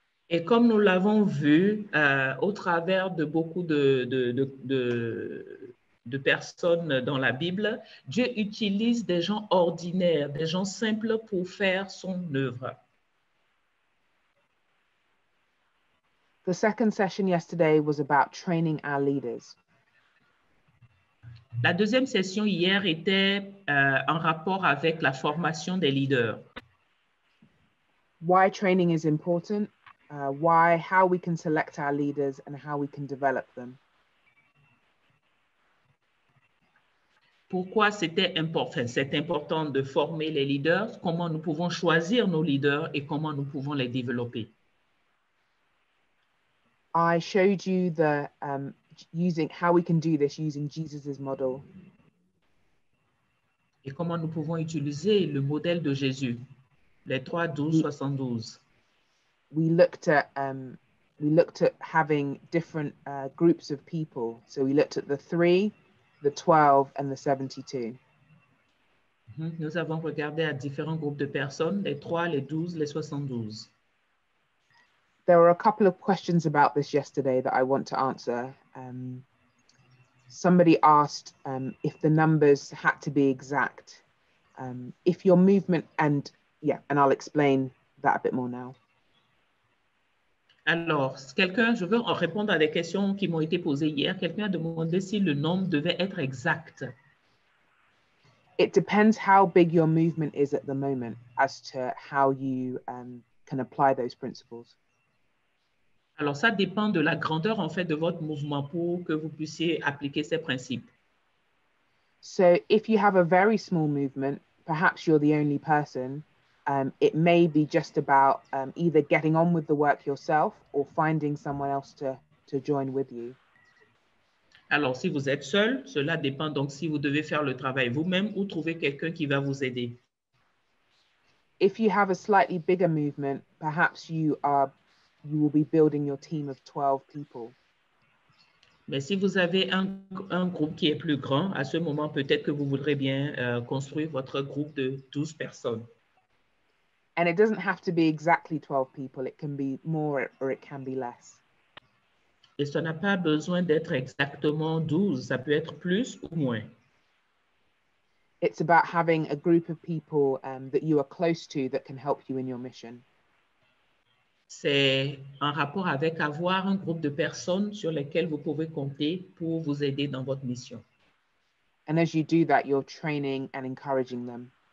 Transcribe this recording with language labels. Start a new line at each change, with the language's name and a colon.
French: Et comme nous l'avons vu au travers de beaucoup de personnes dans la Bible, Dieu utilise des gens ordinaires, des gens simples pour faire son œuvre.
English: The second session yesterday was about training our leaders.
French: La deuxième session hier était en rapport avec la formation des leaders.
English: Why training is important, why, how we can select our leaders and how we can develop them.
French: Pourquoi c'était important, c'est important de former les leaders, comment nous pouvons choisir nos leaders et comment nous pouvons les développer.
English: I showed you the using how we can do this using Jesus's model.
French: Et comment nous pouvons utiliser le modèle de Jésus, les 3, 12, 72.
English: We looked at having different groups of people. So we looked at the 3, the 12, and the 72. Mm-hmm.
French: Nous avons regardé à différents groupes de personnes, les 3, les 12, les 72.
English: There were a couple of questions about this yesterday that I want to answer. Somebody asked if the numbers had to be exact. If your movement and, yeah, and I'll explain that a bit more now.
French: Alors, quelqu'un, je veux en répondre à des questions qui m'ont été posées hier. Quelqu'un a demandé si le nombre devait être exact.
English: It depends how big your movement is at the moment as to how you can apply those principles.
French: Alors, ça dépend de la grandeur, en fait, de votre mouvement pour que vous puissiez appliquer ces principes.
English: So, if you have a very small movement, perhaps you're the only person, it may be just about either getting on with the work yourself or finding someone else to join with you.
French: Alors, si vous êtes seul, cela dépend donc si vous devez faire le travail vous-même ou trouver quelqu'un qui va vous aider.
English: If you have a slightly bigger movement, perhaps you will be building your team of 12 people.
French: Mais si vous avez un groupe qui est plus grand, à ce moment, peut-être que vous voudrez bien construire votre groupe de 12 personnes.
English: And it doesn't have to be exactly 12 people. It can be more or it can be less.
French: Et ça n'a pas besoin d'être exactement 12. Ça peut être plus ou moins.
English: It's about having a group of people that you are close to that can help you in your mission.
French: C'est en rapport avec avoir un groupe de personnes sur lesquelles vous pouvez compter pour vous aider dans votre mission.
English: And as you do that, you're training and encouraging them.